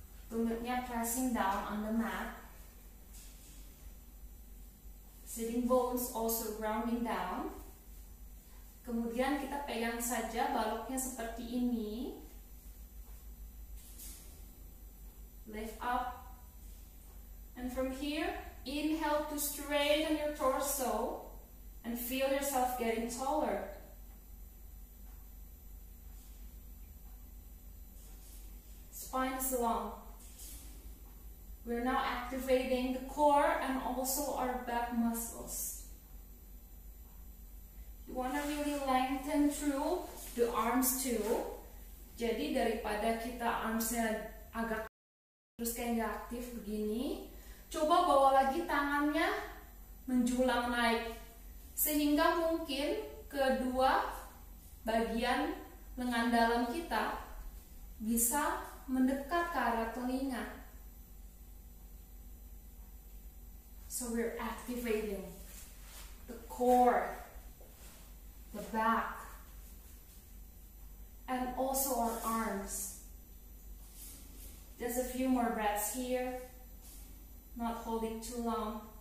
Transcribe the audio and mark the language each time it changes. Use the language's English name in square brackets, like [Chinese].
[English] Tumitnya pressing down on the mat. Sitting bones also grounding down. [Indonesian] Kemudian kita pegang saja baloknya seperti ini. [English] Lift up. And from here, inhale to straighten your torso. And feel yourself getting taller. Spine is long. We're now activating the core and also our back muscles. You want to really lengthen through the arms too. [Indonesian] Jadi daripada kita armsnya agak terus kayak gak aktif begini, coba bawa lagi tangannya menjulang naik. Sehingga mungkin kedua bagian lengan dalam kita bisa mendekat ke arah telinga. [English] So we're activating the core, the back, and also on arms. Just a few more breaths here, not holding too long.